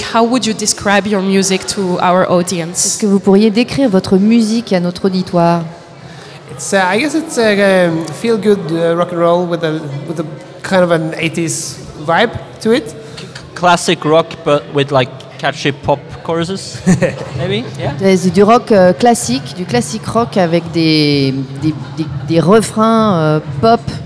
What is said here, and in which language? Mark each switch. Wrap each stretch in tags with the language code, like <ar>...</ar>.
<en>How would you describe your music to our audience?</en> <fr>Est-ce que vous pourriez décrire votre musique à notre auditoire?</fr> <en>It's, I guess it's a feel good rock and roll with a kind of an 80s vibe to it. Classic rock, but with like catchy pop choruses, maybe. Yeah.</en> <fr>C'est du rock classique, du classic rock avec des refrains pop.</fr>